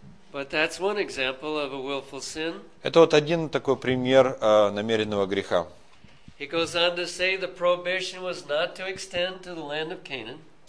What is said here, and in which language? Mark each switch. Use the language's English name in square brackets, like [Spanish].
[English] But that's one example of a willful sin. [Russian] Это вот один такой пример намеренного греха. [English] He goes on to say the prohibition was not to extend to the land of Canaan.